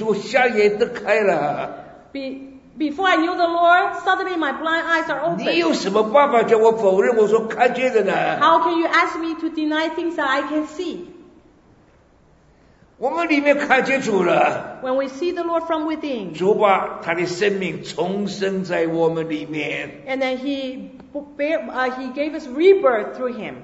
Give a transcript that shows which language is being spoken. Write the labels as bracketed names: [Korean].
[Chinese] 我每一个人心中瞎眼都开了, [English] Before I knew the Lord, suddenly my blind eyes are open. [Chinese] 你有什么办法叫我否认我说看见的呢? [English] How can you ask me to deny things that I can see? [Chinese] 我们里面看见主了, [English] when we see the Lord from within, [Chinese] 主把他的生命重生在我们里面, [English] and then he gave us rebirth through him.